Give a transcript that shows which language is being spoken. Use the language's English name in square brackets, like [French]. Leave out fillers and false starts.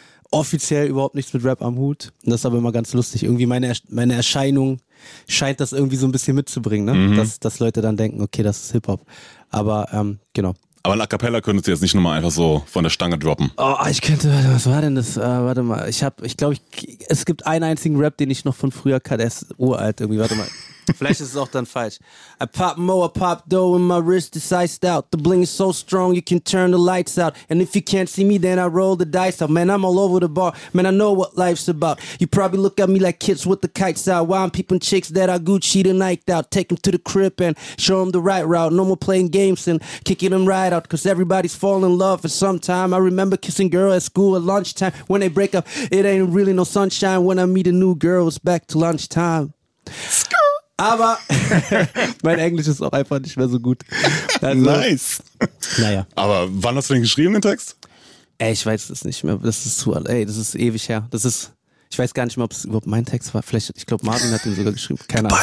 [German] offiziell überhaupt nichts mit Rap am Hut. Und das ist aber immer ganz lustig. Irgendwie meine Erscheinung scheint das irgendwie so ein bisschen mitzubringen, ne? Mhm. Dass Leute dann denken, okay, das ist Hip-Hop. Aber genau. Aber ein A Cappella könntest du jetzt nicht nochmal einfach so von der Stange droppen. Oh, ich könnte, was war denn das? Warte mal, es gibt einen einzigen Rap, den ich noch von früher kann. Der ist uralt irgendwie, warte mal. Vielleicht ist es auch dann falsch. [English] I pop more, I pop dough in my wrist, it's iced out. The bling is so strong, you can turn the lights out. And if you can't see me, then I roll the dice out. Man, I'm all over the bar, man, I know what life's about. You probably look at me like kids with the kites out. While I'm peeping chicks that are Gucci to Nike'd out. Take them to the crib and show them the right route. No more playing games and kicking them right out. Cause everybody's falling in love for some time. I remember kissing girl at school at lunchtime. When they break up, it ain't really no sunshine. When I meet a new girl, it's back to lunchtime. [German] Aber mein Englisch ist auch einfach nicht mehr so gut. Also, nice. Naja. Aber wann hast du denn geschrieben, den Text? Ey, ich weiß es nicht mehr. Das ist zu alt. Ey, das ist ewig her. Das ist, ich weiß gar nicht mehr, ob es überhaupt mein Text war. Vielleicht, ich glaube, Marvin hat den sogar geschrieben. Keine Ahnung.